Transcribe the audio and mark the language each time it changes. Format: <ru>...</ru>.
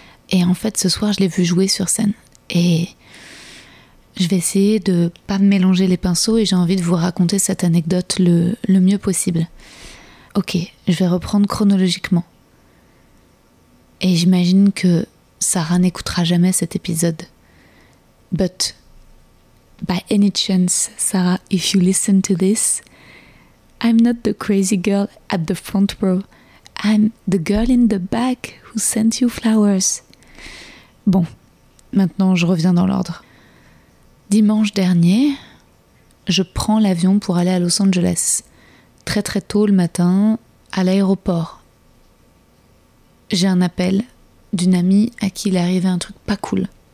<fr>Et en fait, ce soir, je l'ai vu jouer sur scène. Et je vais essayer de pas me mélanger les pinceaux et j'ai envie de vous raconter cette anecdote le mieux possible. Ok, je vais reprendre chronologiquement. Et j'imagine que Sarah n'écoutera jamais cet épisode.</fr> <en>But by any chance, Sarah, if you listen to this, I'm not the crazy girl at the front row. I'm the girl in the back who sent you flowers.</en> <fr>Bon, maintenant je reviens dans l'ordre. Dimanche dernier, je prends l'avion pour aller à Los Angeles. Très très tôt le matin, à l'aéroport. J'ai un appel d'une amie à qui il est arrivé un truc pas cool.</fr>